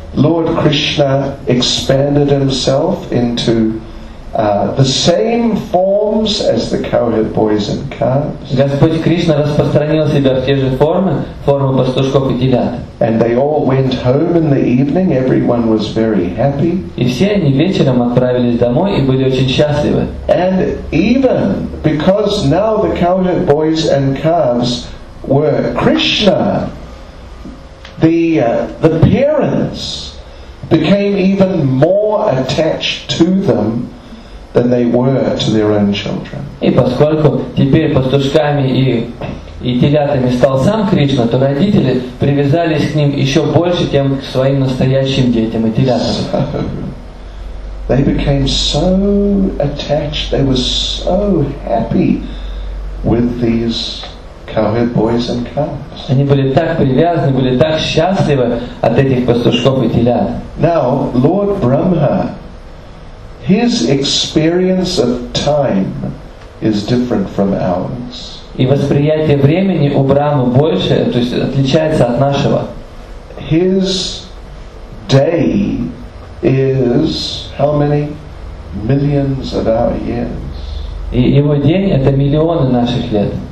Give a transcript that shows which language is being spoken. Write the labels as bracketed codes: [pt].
[en] Lord Krishna expanded himself into the same forms as the cowherd boys and calves. [ru] Господь Кришна распространил себя в те же формы, формы пастушков и телят. [en] And they all went home in the evening. Everyone was very happy. [ru] И все они вечером отправились домой и были очень счастливы. [en] And even because now the cowherd boys and calves were Krishna, the parents became even more attached to them than they were to their own children. [ru] И поскольку теперь пастушками и телятами стал сам Кришна, то родители привязались к ним еще больше, чем к своим настоящим детям и телятам. [en] So, they became so attached, they were so happy with these cowherd boys and calves. [ru] Они были так привязаны, были так счастливы от этих пастушков и телят. [en] Now, Lord Brahma, his experience of time is different from ours. [ru] И восприятие времени у Брамы больше, то есть отличается от нашего. [en] His day is how many millions of our years? [ru] И его день это миллионы наших лет.